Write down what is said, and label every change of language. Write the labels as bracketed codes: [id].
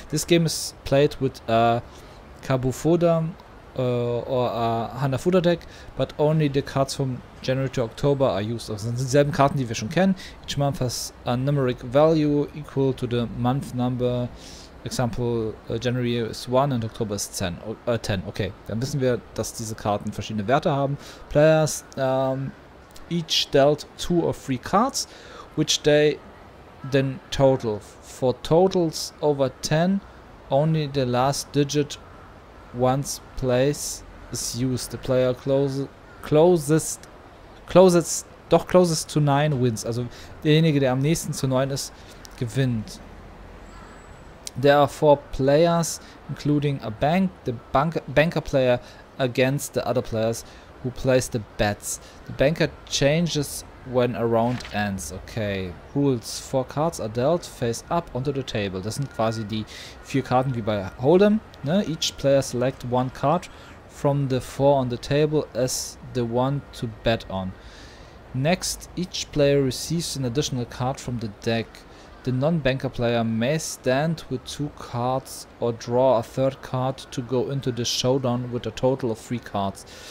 [en] This game is played with a Kabufoda or a Hanafuda deck, but only the cards from January to October are used. [de] Also, das sind dieselben Karten, die wir schon kennen. [en] Each month has a numeric value equal to the month number. Example, January is 1 and October is 10. 10. [de] Okay, dann wissen wir, dass diese Karten verschiedene Werte haben. [en] Players each dealt 2 or 3 cards, which they then total. For totals over 10, only the last digit once plays is used. The player closest to 9 wins. [de] Also derjenige, der am nächsten zu 9 ist, gewinnt. [en] There are 4 players, including a bank, the banker player against the other players who place the bets. The banker changes when a round ends. Okay. Rules. 4 cards are dealt face up onto the table. [de] Das sind quasi die 4 Karten wie bei Hold'em. Ne? [en] Each player select 1 card from the 4 on the table as the one to bet on. Next, each player receives an additional card from the deck. The non-banker player may stand with 2 cards or draw a 3rd card to go into the showdown with a total of 3 cards.